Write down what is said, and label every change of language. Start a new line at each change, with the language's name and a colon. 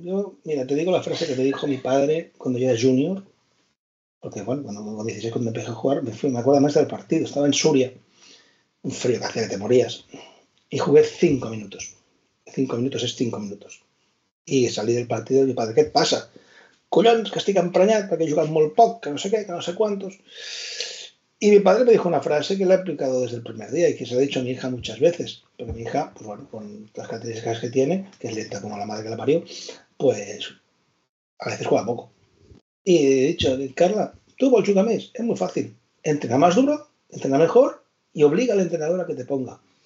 Spanish: Yo, mira, te digo la frase que me dijo mi padre cuando yo era junior. Porque, bueno, cuando con 16 cuando empecé a jugar, me acuerdo más del partido. Estaba en Suria. Un frío que hacía que te morías. Y jugué 5 minutos. 5 minutos es 5 minutos. Y salí del partido y mi padre, ¿qué pasa?
Catalan: Collons, que estic emprenyat perquè jugues molt poc, que no sé què, que no sé quantos.
Spanish: Y mi padre me dijo una frase que le he aplicado desde el primer día y que se ha dicho a mi hija muchas veces, porque mi hija, pues bueno, con las características que tiene, que es lenta como la madre que la parió, pues a veces juega poco. Y he dicho, Carla,
Catalan: tú vols jugar més,
Spanish: es muy fácil. Entrena más duro, entrena mejor y obliga al entrenador a que te ponga.